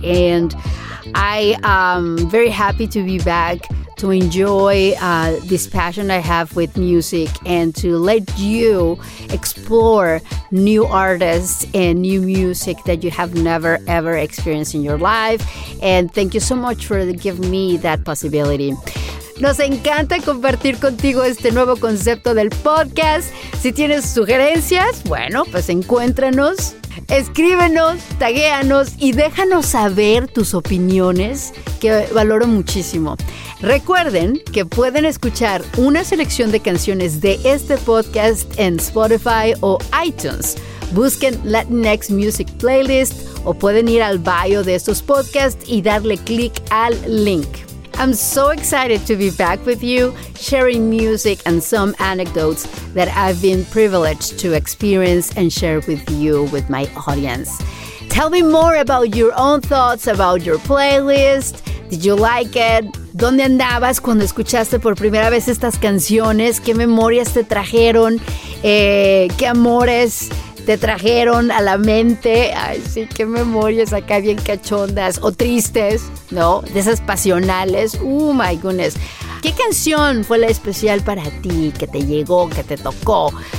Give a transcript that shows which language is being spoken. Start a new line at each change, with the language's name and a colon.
English: And I am very happy to be back to enjoy this passion I have with music and to let you explore new artists and new music that you have never ever experienced in your life. And thank you so much for giving me that possibility.
Spanish: Nos encanta compartir contigo este nuevo concepto del podcast. Si tienes sugerencias, bueno, pues encuéntranos, escríbenos, taguéanos y déjanos saber tus opiniones, que valoro muchísimo. Recuerden que pueden escuchar una selección de canciones de este podcast en Spotify o iTunes. Busquen Latinx Music Playlist o pueden ir al bio de estos podcasts y darle clic al link.
English: I'm so excited to be back with you, sharing music and some anecdotes that I've been privileged to experience and share with you, with my audience. Tell me more about your own thoughts about your playlist. Did you like it?
Spanish: ¿Dónde andabas cuando escuchaste por primera vez estas canciones? ¿Qué memorias te trajeron? ¿Qué amores te trajeron a la mente? Ay, sí, qué memorias acá bien cachondas o tristes, ¿no? De esas pasionales.
English: ¡Oh, my goodness!
Spanish: ¿Qué canción fue la especial para ti que te llegó, que te tocó?